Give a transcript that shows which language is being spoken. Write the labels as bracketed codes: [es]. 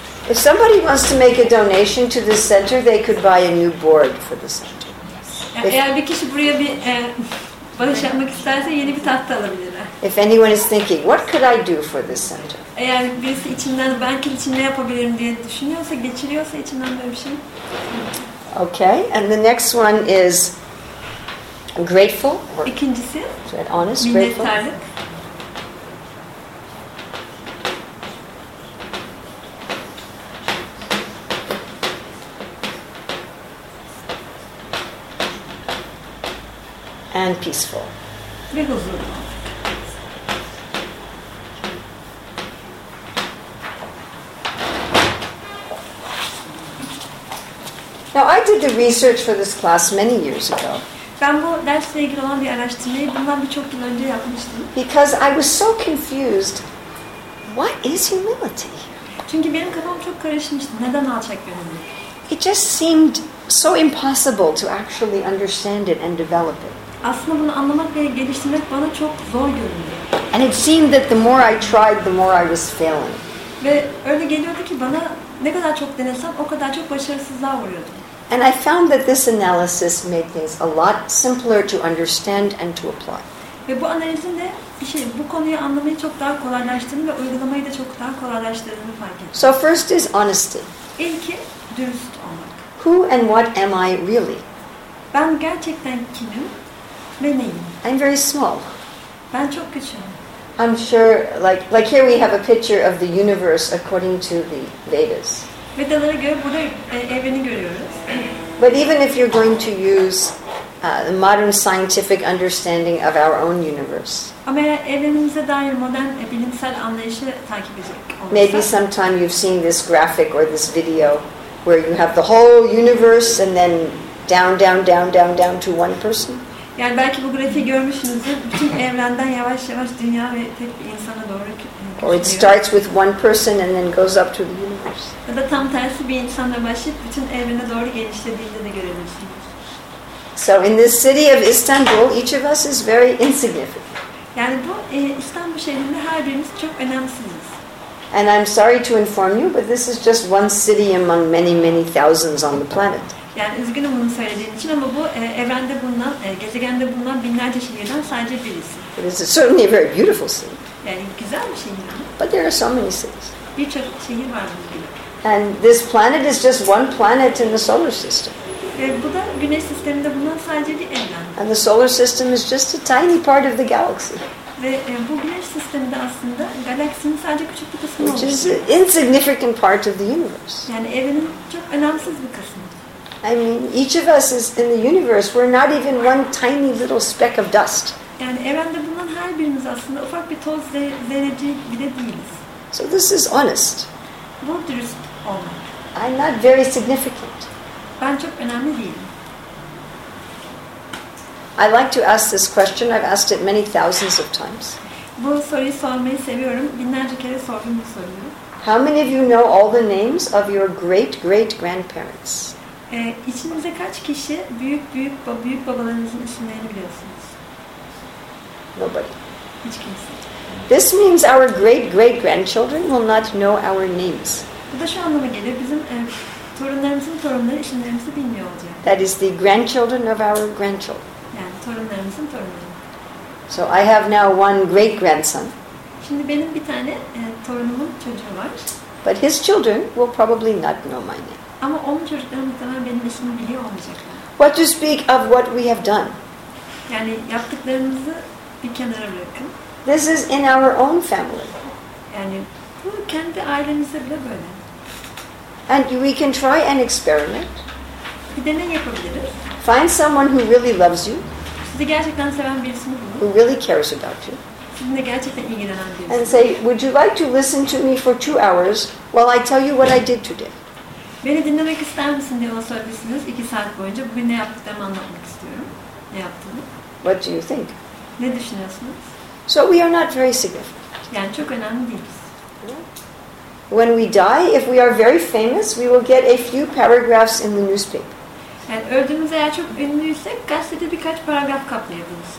[en] If somebody wants to make a donation to this center, they could buy a new board for the center. [tr] Eğer bir kişi buraya bir bağış yapmak isterse yeni bir tahta alabilir. [en] If anyone is thinking, what could I do for this center? [tr] Eğer birisi içinden ben kim için ne yapabilirim diye düşünüyorsa, geçiriyorsa içinden böyle bir şey. [en] Okay, and the next one is grateful. [tr] Or, İkincisi, [en] honest, [tr] minnettarlık. [en] And peaceful. [tr] Ve huzurlu. [en] Now I did the research for this class many years ago. [tr] Ben bu dersle ilgili olan bir araştırmayı bundan birçok yıl önce yapmıştım. [en] Because I was so confused. What is humility? [tr] Çünkü benim kafam çok karışmıştı. Neden alçakgönüllü? [en] It just seemed so impossible to actually understand it and develop it. [tr] Aslında bunu anlamak ve geliştirmek bana çok zor görünüyor. [en] And it seemed that the more I tried, the more I was failing. [tr] Ve öyle geliyordu ki bana ne kadar çok denesem o kadar çok başarısızlığa vuruyordum. [en] And I found that this analysis made things a lot simpler to understand and to apply. [tr] Ve bu analizin de bu konuyu anlamayı çok daha kolaylaştırdığını ve uygulamayı da çok daha kolaylaştırdığını fark ettim. [en] So first is honesty. [tr] İlki dürüst olmak. [en] Who and what am I really? [tr] Ben gerçekten kimim ve neyim? [en] I'm very small. [tr] Ben çok küçüğüm. [en] I'm sure, like here we have a picture of the universe according to the Vedas. [tr] Vedalara göre burada evreni görüyoruz. [en] But even if you're going to use the modern scientific understanding of our own universe. [tr] Ama eğer evrenimize dair modern bilimsel anlayışı takip edecek olursa. [en] Maybe sometime you've seen this graphic or this video where you have the whole universe and then down to one person. [tr] Yani belki bu grafiği görmüşsünüzdür. Bütün evrenden yavaş yavaş dünya ve tek bir insana doğru gidiyor. [en] Or it starts with one person and then goes up to the universe. [tr] Ya da tam tersi bir insanla başlayıp bütün evrene doğru genişlediğini de görebilirsiniz. [en] So in this city of Istanbul, each of us is very insignificant. [tr] Yani bu İstanbul şehrinde her birimiz çok önemsiziz. [en] And I'm sorry to inform you, but this is just one city among many, many thousands on the planet. [tr] Yani üzgünüm bunu söylediğin için ama bu evrende bulunan, gezegende bulunan binlerce şehirden sadece birisi. [en] It is certainly a very beautiful city. [tr] Yani güzel bir şehir. [en] But there are so many cities. [tr] Birçok şehir var bugün. [en] And this planet is just one planet in the solar system. [tr] Bu da güneş sisteminde bulunan sadece bir evren. [en] And the solar system is just a tiny part of the galaxy. [tr] Ve bu güneş sisteminde aslında galaksinin sadece küçük bir kısmı. [en] Which is an insignificant part of the universe. [tr] Yani evrenin çok önemsiz bir kısmı. [en] I mean, each of us is in the universe. We're not even one tiny little speck of dust. [tr] Yani evrende bulunan her birimiz aslında ufak bir toz zerreci bile değiliz. [en] So this is honest. [tr] Bu dürüst olmak. [en] I'm not very significant. [tr] Ben çok önemli değilim. [en] I like to ask this question. I've asked it many thousands of times. [tr] Bu soruyu sormayı seviyorum. Binlerce kere sordum bu soruyu. [en] How many of you know all the names of your great-great-grandparents? [tr] İçinizde kaç kişi büyük babalarınızın isimlerini biliyorsunuz? [en] Nobody. [tr] Hiç kimse. [en] This means our great-great-grandchildren will not know our names. [tr] Bu da şu anlama geliyor. Bizim torunlarımızın torunları isimlerimizi bilmiyor olacak. [en] That is the grandchildren of our grandchildren. [tr] Yani torunlarımızın torunları. [en] So I have now one great-grandson. [tr] Şimdi benim bir tane torunumun çocuğu var. [en] But his children will probably not know my name. [tr] Ama onun çocukları muhtemelen benim ismimi biliyor olmayacaklar. [en] What to speak of what we have done. [tr] Yani yaptıklarımızı bir kenara bırakın. [en] This is in our own family. [tr] Yani bu kendi ailemizde bile böyle. [en] And we can try an experiment. [tr] Bir deney yapabiliriz. [en] Find someone who really loves you. [tr] Sizi gerçekten seven birisini bulun. [en] Who really cares about you. [tr] Sizinle gerçekten ilgilenen birisini. [en] And say, would you like to listen to me for 2 hours while I tell you what I did today? [tr] Beni dinlemek ister misin diye ona söylesiniz 2 saat boyunca. Bugün ne yaptığımı anlatmak istiyorum. Ne yaptığımı. [en] What do you think? [tr] Ne düşünüyorsunuz? [en] So we are not very significant. [tr] Yani çok önemli değiliz. [en] When we die, if we are very famous, we will get a few paragraphs in the newspaper. [tr] Yani öldüğümüzde eğer çok ünlüysek gazetede birkaç paragraf kaplayabiliriz.